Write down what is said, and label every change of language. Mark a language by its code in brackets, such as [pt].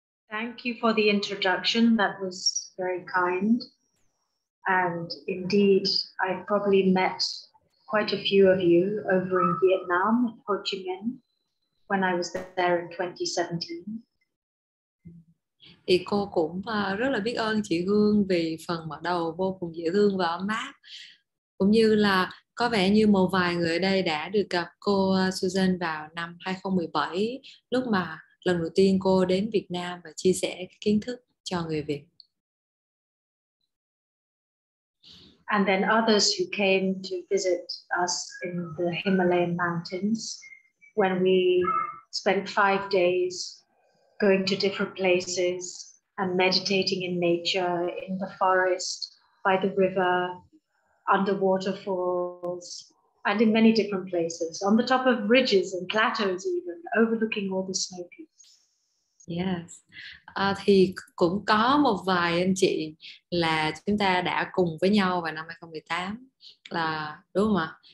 [en] Thank you for the introduction. That was very kind. And indeed, I've probably met quite a few of you over in Vietnam, in Ho Chi Minh, when I was there in 2017. [vi] Thì cô cũng rất là biết ơn chị Hương vì phần mở đầu vô cùng dễ thương và ấm áp, cũng như là có vẻ như một vài người ở đây đã được gặp cô Susan vào năm 2017, lúc mà lần đầu tiên cô đến Việt Nam và chia sẻ kiến thức cho người Việt. [en] And then others who came to visit us in the Himalayan mountains when we spent 5 days going to different places and meditating in nature, in the forest, by the river, under waterfalls, and in many different places, on the top of ridges and plateaus even, overlooking all the snow peaks. Yes. [vi] Thì cũng có một vài anh chị là chúng ta đã cùng với nhau vào năm 2018, là đúng không ạ?